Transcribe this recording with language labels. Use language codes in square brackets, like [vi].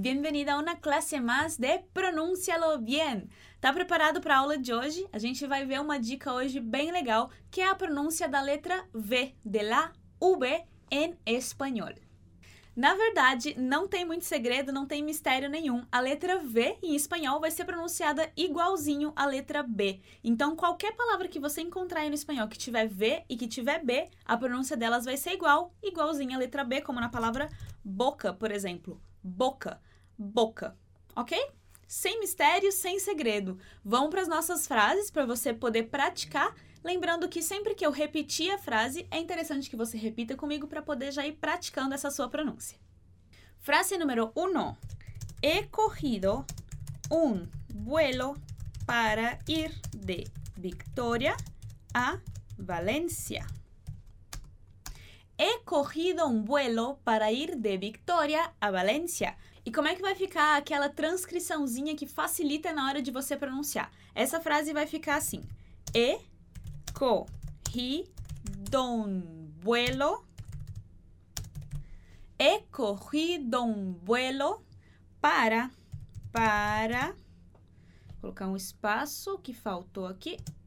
[es] Bienvenida a una clase más de Pronúncialo Bien. [pt] Tá preparado para a aula de hoje? A gente vai ver uma dica hoje bem legal, que é a pronúncia da letra V, [es] de la V, [pt] em espanhol. Na verdade, não tem muito segredo, não tem mistério nenhum. A letra V em espanhol vai ser pronunciada igualzinho à letra B. Então, qualquer palavra que você encontrar aí no espanhol que tiver V e que tiver B, a pronúncia delas vai ser igual, igualzinho à letra B, como na palavra boca, por exemplo. Boca, boca, ok? Sem mistério, sem segredo. Vamos para as nossas frases para você poder praticar. Lembrando que sempre que eu repetir a frase, é interessante que você repita comigo para poder já ir praticando essa sua pronúncia. Frase número 1. [es] He cogido un vuelo para ir de Victoria a Valencia. He cogido un vuelo para ir de Victoria a Valencia. [pt] E como é que vai ficar aquela transcriçãozinha que facilita na hora de você pronunciar? Essa frase vai ficar assim. [es] He cogido un vuelo. He cogido un vuelo para [pt] vou colocar um espaço que faltou aqui.